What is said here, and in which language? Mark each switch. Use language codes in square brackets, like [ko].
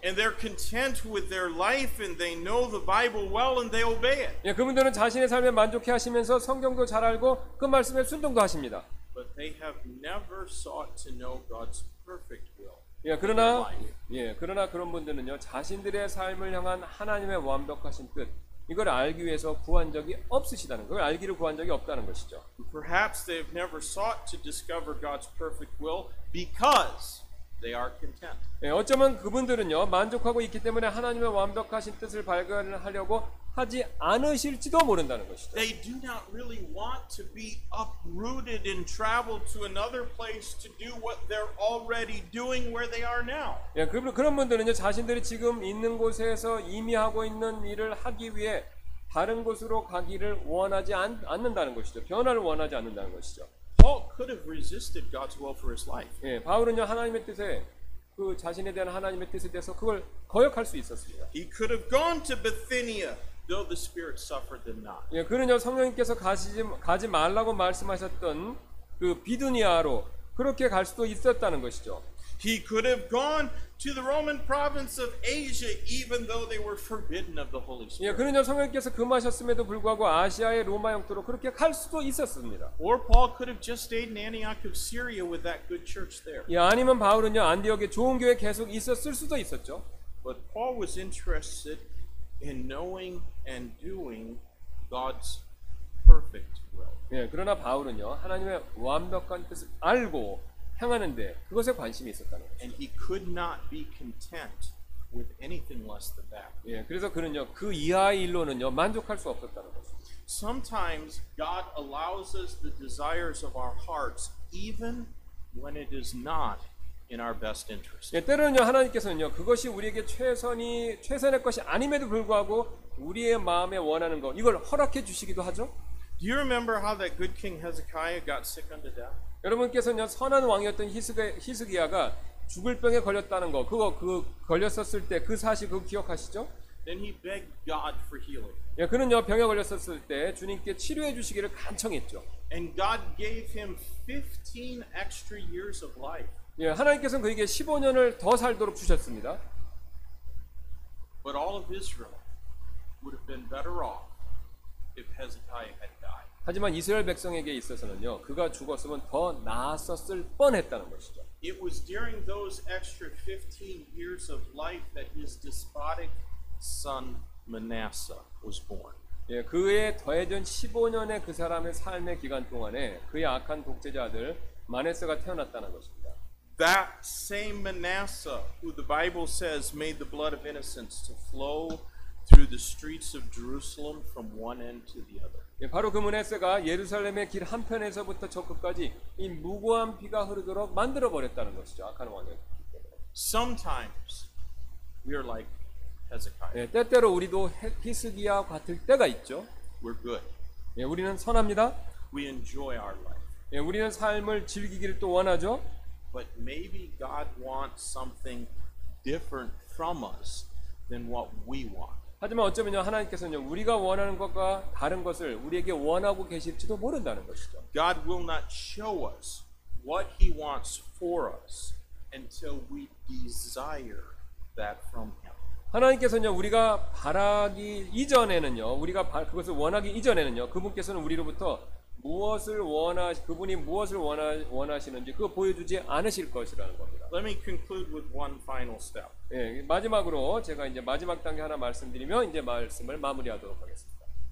[en] And they're content with their life and they know the Bible well and they obey it. [ko] 예, 그분들은 자신의 삶에 만족해 하시면서 성경도 잘 알고 그 말씀에 순종도 하십니다. [en] But they have never sought to know God's perfect will. [ko] 예, 그러나 예, 그러나 그런 분들은요, 자신들의 삶을 향한 하나님의 완벽하신 뜻 이걸 알기 위해서 구한 적이 없으시다는 거예요. 알기를 구한 적이 없다는 것이죠. [en] Perhaps they've never sought to discover God's perfect will because they are content. [ko] 예, 어쩌면 그분들은요 만족하고 있기 때문에 하나님의 완벽하신 뜻을 발견하려고 하지 않으실지도 모른다는 것이죠. [en] They do not really want to be uprooted and travel to another place to do what they're already doing where they are now. [ko] 예, 그런 분들은요 자신들이 지금 있는 곳에서 이미 하고 있는 일을 하기 위해 다른 곳으로 가기를 원하지 않는다는 것이죠. 변화를 원하지 않는다는 것이죠. [en] Paul could have resisted God's will for his life. [ko] 예, 바울은요 하나님의 뜻에 그 자신에 대한 하나님의 뜻에 대해서 그걸 거역할 수 있었습니다. [en] He could have gone to Bithynia, though the Spirit suffered them not. [ko] 예, 그는요 성령님께서 가지 말라고 말씀하셨던 그 비두니아로 그렇게 갈 수도 있었다는 것이죠. [en] He could have gone to the Roman province of Asia, even though they were forbidden of the Holy Spirit. [ko] 예, 그는요 성령님께서 금하셨음에도 불구하고 아시아의 로마 영토로 그렇게 갈 수도 있었습니다. [en] Or Paul could have just stayed in Antioch of Syria with that good church there. [ko] 예, 아니면 바울은요 안디옥에 좋은 교회 계속 있었을 수도 있었죠. [en] But Paul was interested in knowing and doing God's perfect will. [ko] 예, 그러나 바울은요 하나님의 완벽한 뜻을 알고 행하는데 그것에 관심이 있었다는 거죠. [en] And he could not be content with anything less than that. [ko] 예, 그래서 그는요 그 이하의 일로는요 만족할 수 없었다는 거죠. [en] Sometimes God allows us the desires of our hearts even when it is not in our best interest. [ko] 예, 때로는요 하나님께서는요 그것이 우리에게 최선의 것이 아님에도 불구하고 우리의 마음에 원하는 것 이걸 허락해 주시기도 하죠. [en] Do you remember how that good king Hezekiah got sick unto death? [ko] 여러분께서는 선한 왕이었던 히스기야가 죽을 병에 걸렸다는 거 그거 그 걸렸었을 때 그 사실 그거 기억하시죠? [en] Then he begged God for healing. [ko] 예, 그는요 병에 걸렸었을 때 주님께 치료해 주시기를 간청했죠. [en] And God gave him 15 extra years of life. [ko] 예, 하나님께서는 그에게 15년을 더 살도록 주셨습니다. [en] But all of Israel would have been better off if Hezekiah had died. [ko] 하지만 이스라엘 백성에게 있어서는요, 그가 죽었으면 더 나았었을 뻔했다는 것이죠. [en] It was during those extra 15 years of life that his despotic son Manasseh was born. [ko] 예, 그의 더해진 15년의 그 사람의 삶의 기간 동안에 그의 악한 독재자들 마네세가 태어났다는 것입니다. [en] That same Manasseh, who the Bible says made the blood of innocents to flow through the streets of Jerusalem from one end to the other. [ko] 예, 바로 그 므낫세가 예루살렘의 길 한편에서부터 저 끝까지 이 무고한 피가 흐르도록 만들어 버렸다는 것이죠. 악한 왕이. [en] Sometimes we are like Hezekiah. [ko] 예, 때때로 우리도 히스기야 같을 때가 있죠. [en] We're good. [ko] 예, 우리는 선합니다. [en] We enjoy our life. [ko] 예, 우리는 삶을 즐기기를 또 원하죠. [en] but maybe God wants something different from us than what we want. [ko] 하지만 어쩌면요 하나님께서는요 우리가 원하는 것과 다른 것을 우리에게 원하고 계실지도 모른다는 것이죠. [en] God will not show us what He wants for us until we desire that from Him. [ko] 하나님께서는요 우리가 바라기 이전에는요 우리가 그것을 원하기 이전에는요 그분께서는 우리로부터 무엇을 원하 그분이 무엇을 원하시는지 그 보여주지 않으실 것이라는 겁니다. [en] Let me conclude with one final step. [ko] 예, 마지막으로 제가 이제 마지막 단계 하나 말씀드리면 이제 말씀을 마무리하도록 하겠습니다.